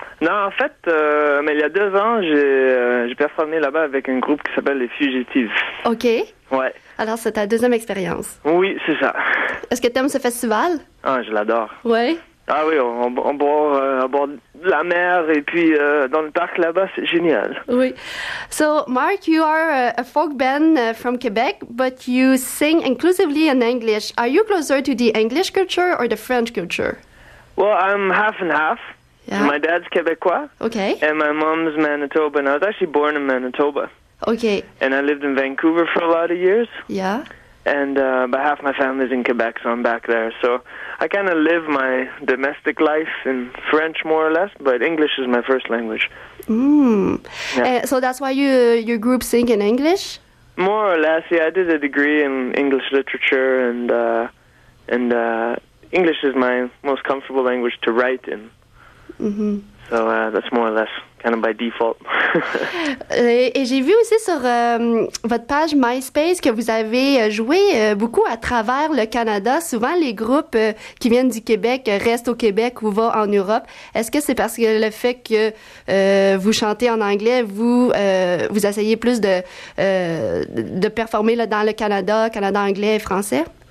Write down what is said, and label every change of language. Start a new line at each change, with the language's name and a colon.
French: Non, en fait, mais il y a 2 ans, j'ai performé là-bas avec un groupe qui s'appelle Les Fugitives. OK. Oui. Alors, c'est ta deuxième expérience. Oui, c'est ça. Est-ce que tu aimes ce festival? Ah, je l'adore. Oui? Ah oui, on boit la mer et puis dans le parc là-bas, c'est génial. Oui.
English: So, Mark, you are a folk band from Quebec, but you sing exclusively in English. Are you closer to the English culture or the French culture? Well, I'm half and half. Yeah. My dad's Québécois. Okay. And my mom's Manitoba. And I was actually born in Manitoba. Okay. And I lived in Vancouver for a lot of years. Yeah. And but half my family's in Quebec, so I'm back there. So I kind of live my domestic life in French, more or less, but English is my first language. Mm. Yeah. So that's why your group sing in English? More or less, yeah. I did a degree in English literature, and English is my most comfortable language to write in. Mm-hmm. So that's more or less kind of by default.
French: Et j'ai vu aussi sur votre page MySpace que vous avez joué beaucoup à travers le Canada. Souvent, les groupes qui viennent du Québec restent au Québec ou vont en Europe. Est-ce que c'est parce que le fait que vous chantez en anglais, vous essayez plus de performer là, dans le Canada, Canada anglais et français?